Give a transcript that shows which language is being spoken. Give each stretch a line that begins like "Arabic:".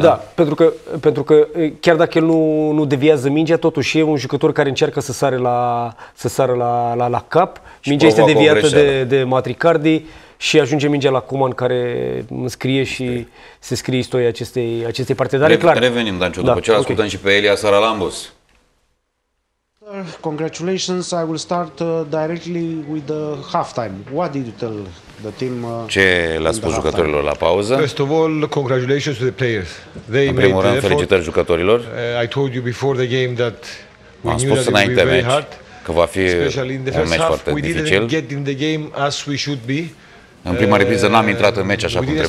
Romanian: Da, pentru că chiar dacă el nu deviază mingea, totuși e un jucător care încearcă să sară la cap. Mingea este deviată de Matricardi și ajunge mingea la Coman, care scrie și se scrie istoria acestei partide. Dar clar. Revenim, Danciu, după ce ascultăm și pe Elia Saralambos.
English: Congratulations, I will start directly with the halftime. What did you tell the team?
Romanian: Ce le-a spus jucătorilor la pauză?
English: First of all, congratulations to the players. They made the effort.
Romanian: Felicitări jucătorilor.
English: I told you before the game that we knew that it would be very hard.
Romanian: Că va fi un meci foarte dificil.
English: We didn't get in the game as we should be.
Romanian: În prima repriză n-am intrat în meci așa cum trebuia.